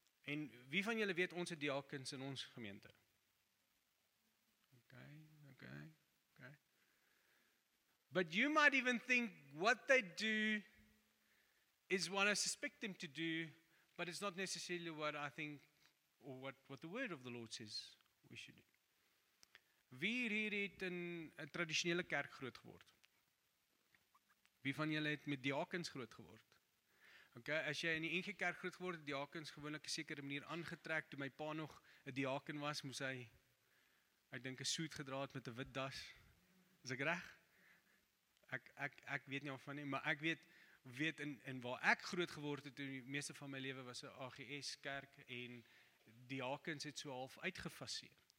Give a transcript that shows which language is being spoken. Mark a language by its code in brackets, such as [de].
[af] En wie van julle weet ons het diakens in ons gemeente? Okay. [en] But you might even think what they do is what I suspect them to do, but it's not necessarily what I think or what the word of the Lord says we should do. [af] Wie hier het in 'n traditionele kerk groot geword? Wie van julle het met diakens groot geword? Okay, as jy in die Engelse kerk groot geword het, diakens gewoonlik 'n sekere manier aangetrek. Toe my pa nog 'n diaken was, moes hy, ek dink, 'n suit gedra het met 'n wit das. Is ek reg? Ek weet nie van nie, maar ek weet in waar ek groot geword het, toe die meeste van my lewe was 'n AGS kerk en diakens het so half uitgefaseer.